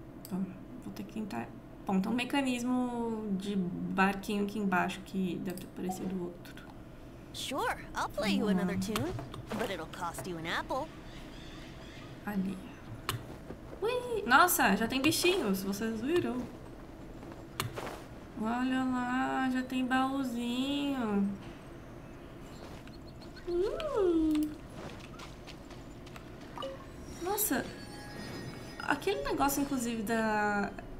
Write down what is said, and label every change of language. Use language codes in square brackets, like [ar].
[pt] Bom, vou ter que entrar... Bom, tem um mecanismo de barquinho aqui embaixo que deve ter aparecido outro. [en] Sure, I'll play you another tune, but it'll cost you an apple. [pt] Ali. Ui, nossa, já tem bichinhos, vocês viram? Olha lá, já tem baúzinho. Nossa, aquele negócio, inclusive, da...